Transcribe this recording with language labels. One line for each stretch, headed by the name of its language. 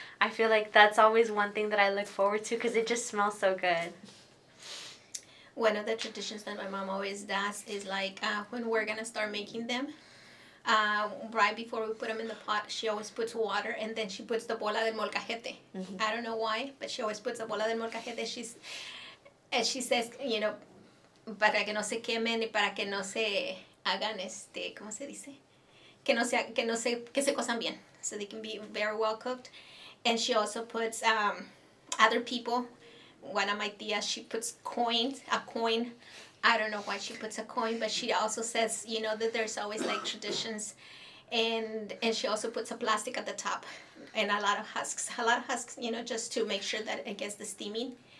English: I feel like that's always one thing that I look forward to because it just smells so good. One of the traditions that my mom always does is like when we're going to start making them, right before we put them in the pot, she always puts water and then she puts the bola del molcajete. Mm-hmm. I don't know why, but she always puts the bola del molcajete. She says, you know,
Spanish: para que no se quemen y para que no se hagan ¿cómo se dice? Que se cosan bien.
English: So they can be very well cooked. And she also puts other people. One of my tías, she puts a coin. I don't know why she puts a coin, but she also says, you know, that there's always like traditions. And she also puts a plastic at the top and a lot of husks, you know, just to make sure that it gets the steaming.